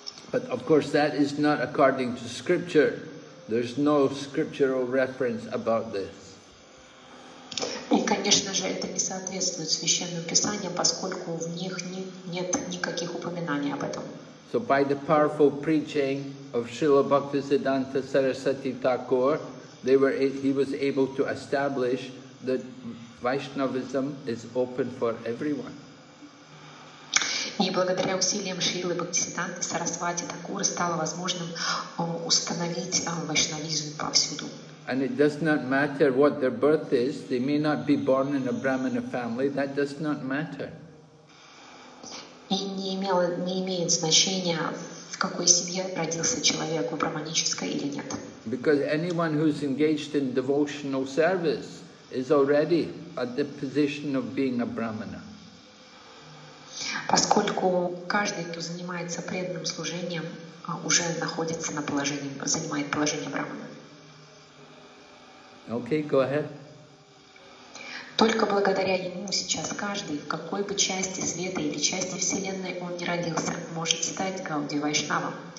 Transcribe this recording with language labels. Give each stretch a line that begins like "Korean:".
English: But of course that is not according to scripture. There's no scriptural reference about this.
Russian: И, конечно же, это не соответствует Священному Писанию, поскольку в них нет никаких упоминаний об этом.
English: So by the powerful preaching of Srila Bhaktisiddhanta Sarasvati Thakur, he was able to establish that Vaishnavism is open for everyone.
Russian: И благодаря усилиям Шрилы Бхактисиддханты Сарасвати Такура стало возможным установить вайшнавизм повсюду.
English: And it does not matter what their birth is, they may not be born in a Brahmana family, that does not matter.
Russian: И не имеет значения, в какой семье родился человек, в брахманической или нет.
English: Because anyone who's engaged in devotional service is already at the position of being a Brahmana.
Russian: Поскольку каждый, кто занимается преданным служением, уже находится на положении, занимает положение Брахмана.
English: Okay, go ahead.
Russian: Только благодаря ему сейчас каждый, в какой бы части света или части Вселенной он ни родился, может стать Гауди Вайшнавом.